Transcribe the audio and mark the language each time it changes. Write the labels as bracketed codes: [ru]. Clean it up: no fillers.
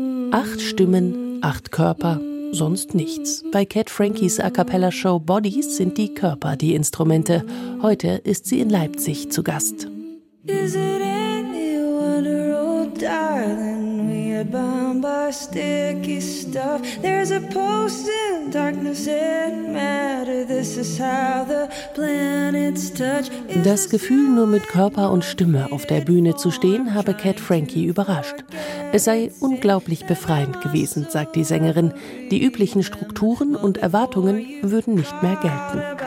[de] Acht Stimmen, acht Körper, sonst nichts. Bei Cat Frankies A Cappella Show Bodies sind die Körper die Instrumente. Heute ist sie in Leipzig zu Gast. [en] Is it any wonder, oh darling, we are bound by sticky stuff. There's a post in darkness and matter, this is how the planets touch. [de] Das Gefühl, nur mit Körper und Stimme auf der Bühne zu stehen, habe Cat Frankie überrascht. Es sei unglaublich befreiend gewesen, sagt die Sängerin. Die üblichen Strukturen und Erwartungen würden nicht mehr gelten.